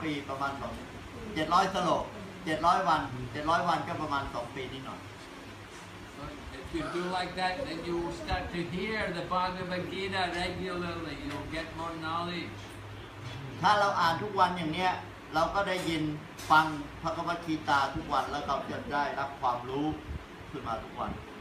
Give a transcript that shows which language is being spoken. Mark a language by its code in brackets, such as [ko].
[th] ประมาณ2 700 slok700วัน700วันก็ประมาณ2ปีนิดหน่อย [en] If you do like that then you will start to hear the Bhagavad Gita regularly you'll get more knowledge [th] ถ้าเราอ่านทุกวันอย่างเนี้ยเราก็ได้ยินฟังพระคัมภีร์กีตาทุกวันแล้วก็จะได้รับความรู้ขึ้นมาทุกวัน